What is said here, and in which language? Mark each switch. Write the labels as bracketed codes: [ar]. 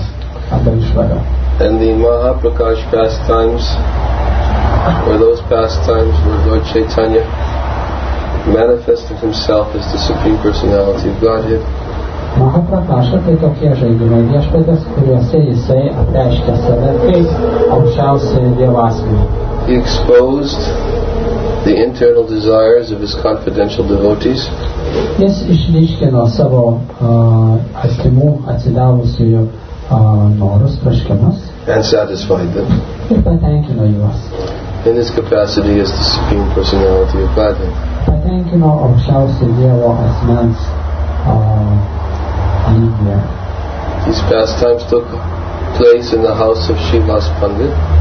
[en] And the Mahaprakash pastimes were those pastimes where Lord Chaitanya manifested himself as the Supreme Personality of Godhead. [lt] Mahaprakasha, tai tokie žaidimai viešpaties, kuriuose jisai apreiškia save kaip aukščiausią Dievo asmenį. [en] He exposed the internal desires of his confidential devotees. [lt] Jis išryškino savo artimų atsidavusiųjų norus, prašymus. [en] And satisfied them. [lt] Ir patenkino juos. [en] In his capacity as the Supreme Personality of Godhead. [lt] Patenkino aukščiausią Dievo asmens. [en] These pastimes took place in the house of Srivas Pandit.